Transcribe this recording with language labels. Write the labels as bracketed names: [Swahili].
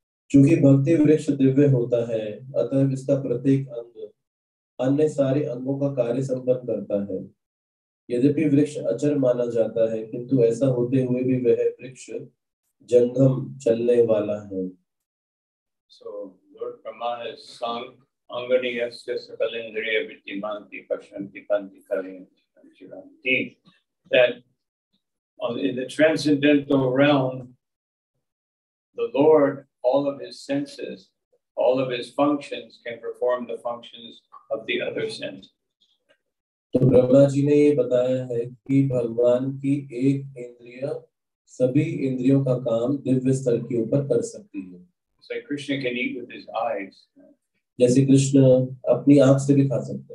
[Hindi] चूंकि भक्ति वृक्ष दिव्य होता है अतः इसका प्रत्येक अंग अन्य सारे अंगों का कार्य संपन्न करता है। यद्यपि वृक्ष अचर माना जाता है किंतु ऐसा होते हुए भी वह वृक्ष जंगम चलने वाला है। [English] So Lord Brahma has sung [Sanskrit] Angani Asya Sakalendriya Vittimanti Pashanti Panti Kalendriyanti [English] that in the transcendental realm the Lord, all of his senses, all of his functions can perform the functions of the other senses. [Hindi] तो ब्रह्मा जी ने ये बताया है कि भगवान की एक इंद्रिय सभी इंद्रियों का काम दिव्य स्तर के ऊपर कर सकती है। [English] So Krishna can eat with his eyes. [Hindi] जैसे कृष्ण अपनी आंख से भी खा सकते